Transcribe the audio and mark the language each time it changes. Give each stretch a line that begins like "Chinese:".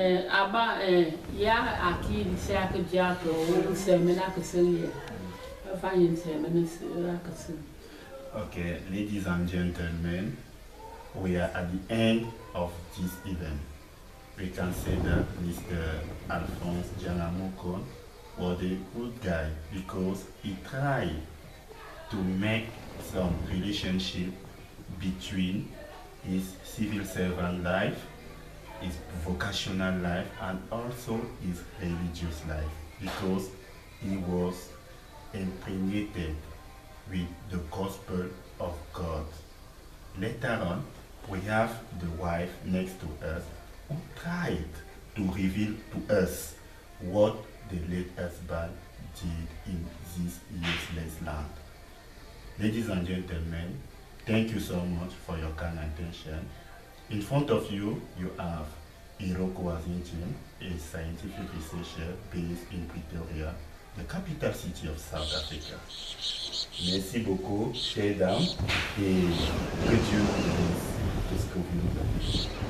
French: Abba, ya a qui il sait que diable, il sait que c'est lié. Enfin, il sait maintenant que c'est lié.
English: Ok, ladies and gentlemen, we are at the end of this event. We can say that Mr. Alphonse Dialamoko was a good guy because he tried to make some relationship between his civil servant life, his vocational life, and also his religious life, because he was impregnated with the gospel of God. Later on, we have the wife next to us who tried to reveal to us what the late husband did in this useless land. Ladies and gentlemen, thank you so much for your kind attention. In front of you, you have Iroko Azintim, a scientific researcher based in Pretoria, the capital city of South Africa.
French: Merci beaucoup,
English: stay down,
French: et que Dieu vous bénisse.